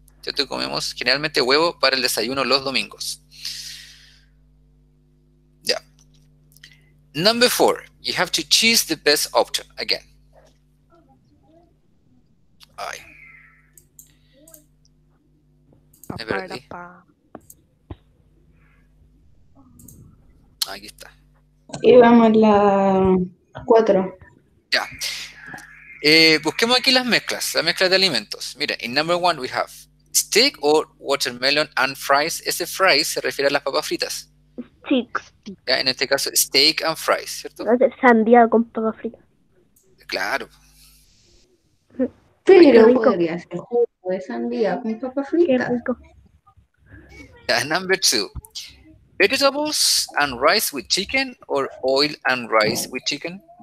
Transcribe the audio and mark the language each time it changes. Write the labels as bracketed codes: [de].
[es] Nosotros comemos generalmente huevo para el desayuno los domingos. Ya. Yeah. [en] Number four, you have to choose the best option again. Ay. [es] Me perdí. Aquí está. Y vamos a la 4. Ya. Busquemos aquí las mezclas de alimentos. Mira, en [en] number one we have steak or watermelon and fries. [es] Ese fries se refiere a las papas fritas. [en] Steak. [es] Ya, en este caso, [en] steak and fries, [es] ¿cierto? Sandía con papas fritas. Claro. Pero podría ser jugo de sandía con papas fritas. Qué rico. [en] Ya, number two. Vegetables and rice with chicken or oil and rice with chicken?